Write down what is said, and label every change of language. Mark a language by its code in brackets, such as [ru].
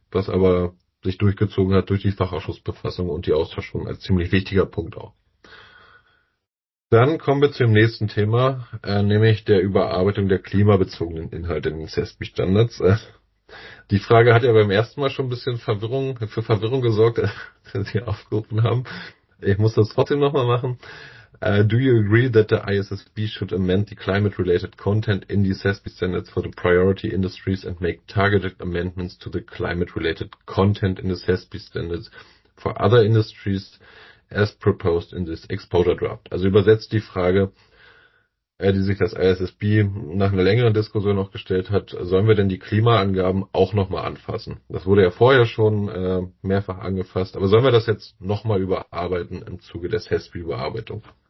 [de] Was aber sich durchgezogen hat durch die Fachausschussbefassung und die Austauschung als ziemlich wichtiger Punkt auch. Dann kommen wir zum nächsten Thema, nämlich der Überarbeitung der klimabezogenen Inhalte in den CSB-Standards. Die Frage hat ja beim ersten Mal schon ein bisschen für Verwirrung gesorgt, als Sie aufgerufen haben. Ich muss das trotzdem nochmal machen. [en] Do you agree that the ISSB should amend the climate-related content in the CSB standards for the priority industries and make targeted amendments to the climate-related content in the CSB standards for other industries as proposed in this exposure draft? [de] Also übersetzt die Frage, die sich das ISSB nach einer längeren Diskussion noch gestellt hat, sollen wir denn die Klimaangaben auch nochmal anfassen? Das wurde ja vorher schon mehrfach angefasst, aber sollen wir das jetzt nochmal überarbeiten im Zuge der CSB-Überarbeitung?